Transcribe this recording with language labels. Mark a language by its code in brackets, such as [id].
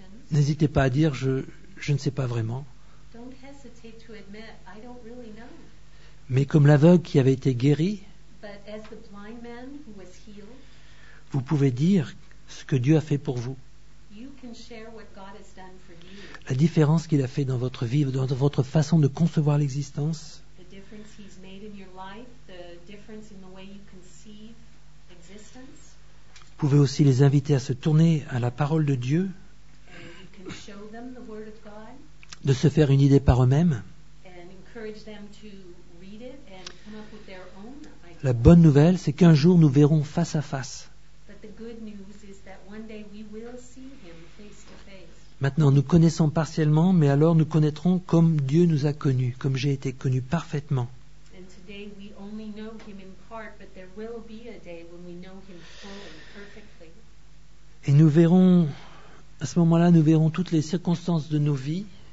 [fr] N'hésitez pas à dire je ne sais pas vraiment. [en] Don't hesitate to admit, I don't really know. [fr] Mais comme l'aveugle qui avait été guéri, [en] but as the blind man who was healed, [fr] vous pouvez dire ce que Dieu a fait pour vous. [en] You can share what God has done for you. [fr] La différence qu'il a fait dans votre vie, dans votre façon de concevoir l'existence. [en] The difference he's made in your life, the difference in the way you conceive existence. [fr] Vous pouvez aussi les inviter à se tourner à la parole de Dieu. [en] Show them the word of God, [fr] de se faire une idée par eux-mêmes. [en] And encourage them to read it and come up with their own idea. [fr] La bonne nouvelle, c'est qu'un jour nous verrons face à face. [en] But the good news is that one day we will see him face to face. [fr] Maintenant, nous connaissons partiellement, mais alors nous connaîtrons comme Dieu nous a connus, comme j'ai été connu parfaitement. [en] And today we only know him in part, but there will be a day when we know him fully, perfectly. [fr] Et nous verrons. À ce moment-là, nous verrons toutes les circonstances de nos vies.